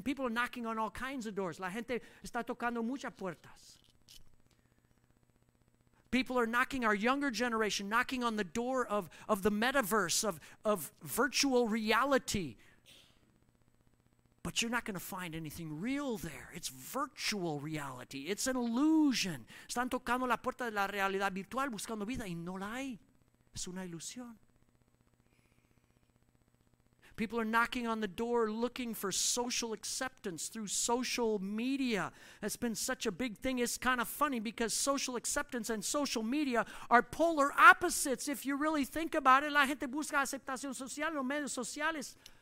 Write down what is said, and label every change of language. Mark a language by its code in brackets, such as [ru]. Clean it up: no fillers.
[en] People are knocking on all kinds of doors. [es] La gente está tocando muchas puertas. [en] People are knocking, our younger generation, knocking on the door of the metaverse, of virtual reality. But you're not going to find anything real there. It's virtual reality. It's an illusion. [es] Están tocando la puerta de la realidad virtual buscando vida y no la hay. Es una ilusión. [en] People are knocking on the door looking for social acceptance through social media. That's been such a big thing. It's kind of funny because social acceptance and social media are polar opposites. If you really think about it, [es] la gente busca aceptación social en los medios sociales.